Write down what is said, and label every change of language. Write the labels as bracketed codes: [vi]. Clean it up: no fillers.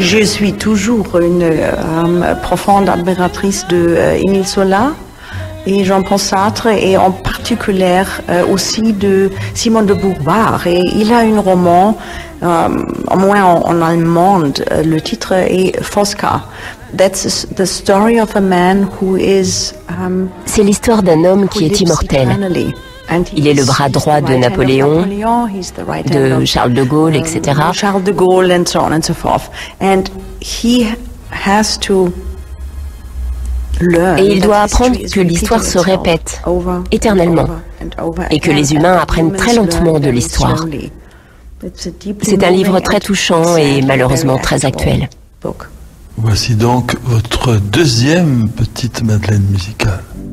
[fr] Je suis toujours une profonde admiratrice de Émile Zola et Jean-Paul Sartre, et en particulier aussi de Simone de Beauvoir. Et il a un roman, au moins en allemand, le titre est Fosca. [en] That's the story of a man who is. [fr] C'est l'histoire d'un homme qui est immortel. Il est le bras droit de Napoléon, de Charles de Gaulle, etc. [en] Charles de Gaulle, and so on and so forth. And he has to. [fr] Et il doit apprendre que l'histoire se répète éternellement et que les humains apprennent très lentement de l'histoire. C'est un livre très touchant et malheureusement très actuel. Voici donc votre deuxième petite madeleine musicale.